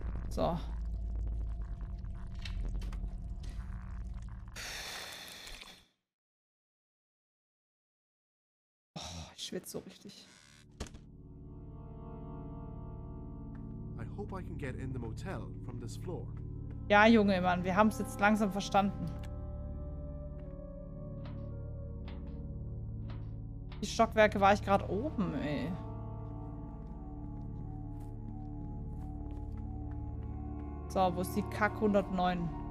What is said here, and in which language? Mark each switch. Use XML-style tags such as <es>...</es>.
<de>So. Oh, ich schwitze so richtig.</de> <en>I hope I can get in the motel from this floor.</en> <de>Ja, Junge, Mann, wir haben es jetzt langsam verstanden. Die Stockwerke war ich gerade oben, ey. So, wo ist die Kack 109?</de>